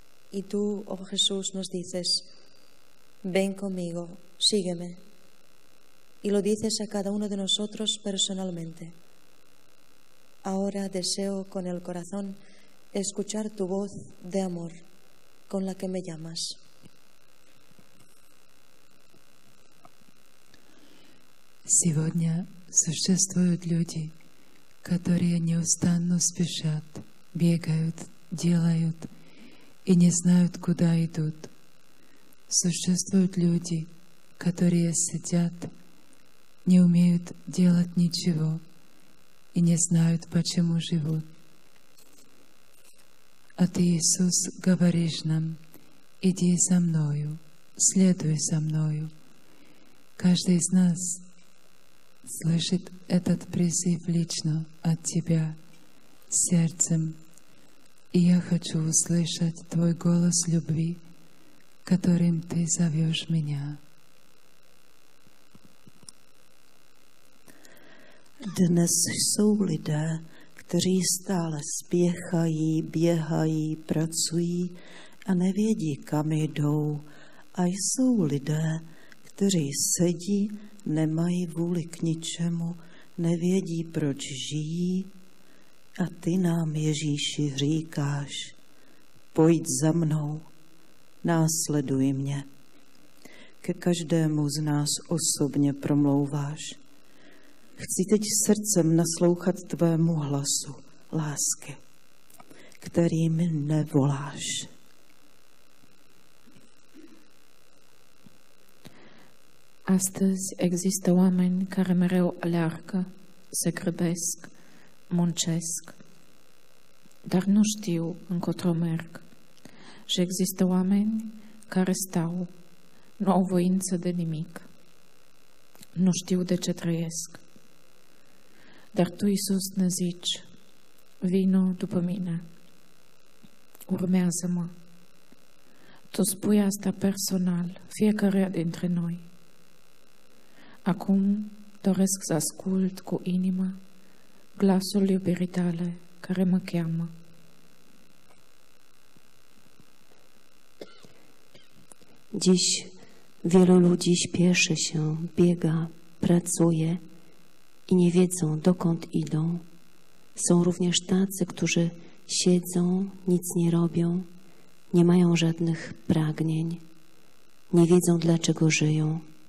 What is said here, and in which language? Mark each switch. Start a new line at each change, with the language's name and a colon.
Spanish: Y tú, oh Jesús, nos dices, ven conmigo, sígueme. Y lo dices a cada uno de nosotros personalmente. Ahora deseo con el corazón escuchar tu voz de amor con la que me llamas.
Russian: Сегодня существуют люди, которые неустанно спешат, бегают, делают и не знают, куда идут. Существуют люди, которые сидят, не умеют делать ничего и не знают, почему живут. А ты, Иисус, говоришь нам, иди за мною, следуй за мною. Каждый из нас слышит этот призыв лично от тебя, сердцем. И я хочу услышать твой голос любви, которым ты зовешь меня.
Czech: Dnes jsou lidé, kteří stále spěchají, běhají, pracují a nevědí, kam jdou. A jsou lidé, kteří sedí, nemají vůli k ničemu, nevědí, proč žijí. A ty nám, Ježíši, říkáš, pojď za mnou, následuj mě. Ke každému z nás osobně promlouváš. Chci teď srdcem naslouchat tvému hlasu, lásky, kterým nevoláš.
Romanian: Astăzi există oameni care mereu aleargă, se grăbesc, muncesc, dar nu știu încotro merg. Și există oameni care stau, nu au voință de nimic, nu știu de ce trăiesc. Dar tu, Iisus, ne zici, vino după mine, urmează-mă. Tu spui asta personal, fiecare dintre noi. Acum doresc să ascult cu inima glasul iubirii tale care mă cheamă.
Polish: Dziś wielu ludzi spieszy się, biega, pracuje, i nie wiedzą, dokąd idą. Są również tacy, którzy siedzą, nic nie robią, nie mają żadnych pragnień, nie wiedzą, dlaczego żyją.